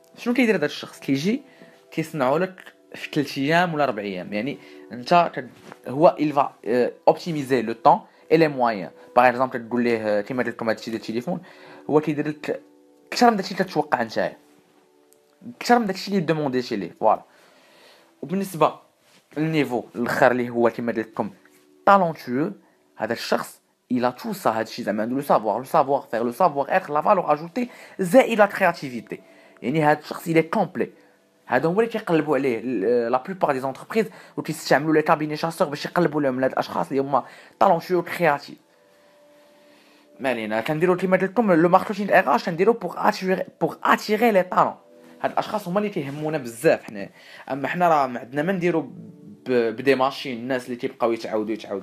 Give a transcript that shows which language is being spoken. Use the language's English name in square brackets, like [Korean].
[Arabic] شنو كيدير هذا الشخص؟ كيجي كيصنعو لك في 3 ايام ولا 4 ايام, يعني انت هو [French] il va optimiser le temps et les moyens. par exemple [Arabic] تقول ليه كيما قلت لكم هادشي ديال التليفون, هو كيدير لك اكثر من داكشي اللي كتوقع نتايا, اكثر من داكشي اللي دوموندي شي ليه فوالا. وبالنسبه للنيفو الاخر اللي هو كيما قلت لكم talentueux, هذا الشخص [French] il a tout ça, [Arabic] هادشي زعما عنده لو savoir, [French] le savoir faire, le savoir être, la valeur ajoutée [Arabic] زائد [French] la créativité, [Arabic] يعني هذا الشخص [French] il est complet. [Arabic] هادو هما اللي كيقلبوا عليه لا بلوبار دي زونتربريز, و كيستعملوا لي كابيني شاسور باش يقلبوا لهم لهاد الاشخاص اللي هما طالونتيو كرياتيف. مالينا كنديروا كيما قلت لكم لو ماركتينغ اي اش كنديروا بور اتيري لي طالون. هاد الاشخاص هما اللي كيهمونا بزاف حنا, اما حنا راه ما عندنا ما نديروا بدي ماشين الناس اللي كيبقاو يتعاودوا.